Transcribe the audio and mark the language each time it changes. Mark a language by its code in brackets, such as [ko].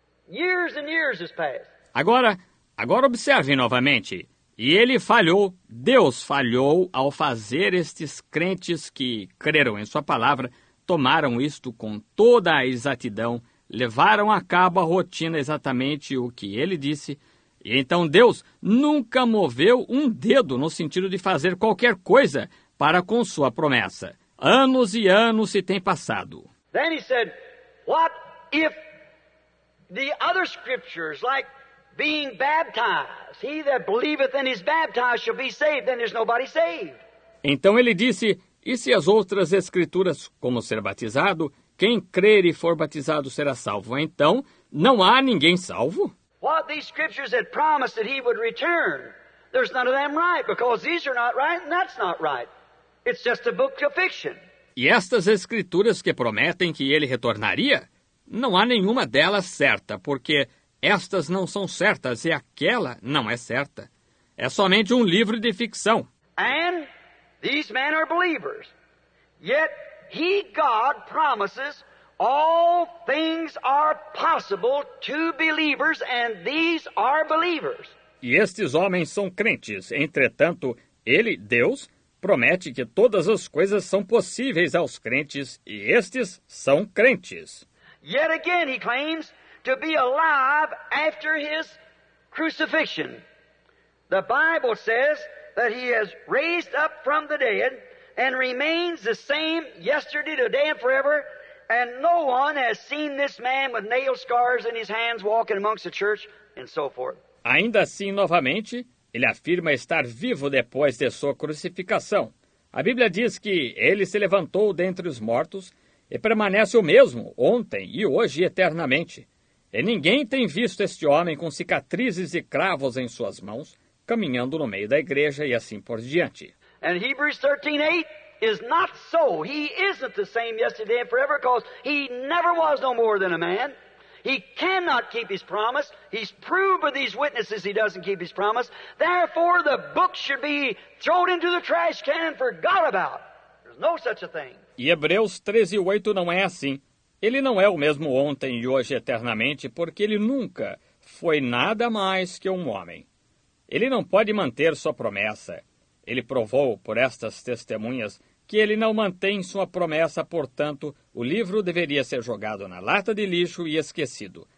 [en] Years and years has passed. [pt] Agora observe novamente. E ele falhou, Deus falhou ao fazer estes crentes que creram em sua palavra, tomaram isto com toda a exatidão, levaram a cabo a rotina exatamente o que ele disse. E então Deus nunca moveu um dedo no sentido de fazer qualquer coisa para com sua promessa. Anos e anos se têm passado. [en] Then he said, what if the other scriptures, like being baptized, he that believeth and is baptized shall be saved, then there's nobody saved. [pt] Então ele disse, E se as outras escrituras, como ser batizado, quem crer e for batizado será salvo, então não há ninguém salvo? [en] What these scriptures had promised that he would return, there's none of them right, because these are not right and that's not right. It's just a book of fiction. [pt] E estas escrituras que prometem que ele retornaria, não há nenhuma delas certa, porque estas não são certas e aquela não é certa. É somente um livro de ficção. [en] And these men are believers. Yet he, God, promises all things are possible to believers, and these are believers. [pt] E estes homens são crentes. Entretanto, ele, Deus, promete que todas as coisas são possíveis aos crentes, e estes são crentes. [en] Yet again he claims to be alive after his crucifixion. The Bible says that he has raised up from the dead and remains the same yesterday, today, and forever, and no one has seen this man with nail scars in his hands walking amongst the church, and so forth. [pt] Ainda assim, novamente, ele afirma estar vivo depois de sua crucificação. A Bíblia diz que ele se levantou dentre os mortos e permanece o mesmo ontem e hoje eternamente. E ninguém tem visto este homem com cicatrizes e cravos em suas mãos, caminhando no meio da igreja e assim por diante. [en] And Hebrews 13:8 is not so. He isn't the same yesterday and forever, because he never was no more than a man. He cannot keep his promise. He's proved by these witnesses he doesn't keep his promise. Therefore, the book should be thrown into the trash can and forgot about. There's no such a thing. [pt] E Hebreus 13:8 não é assim. Ele não é o mesmo ontem e hoje eternamente, porque ele nunca foi nada mais que um homem. Ele não pode manter sua promessa. Ele provou por estas testemunhas que ele não mantém sua promessa, portanto, o livro deveria ser jogado na lata de lixo e esquecido.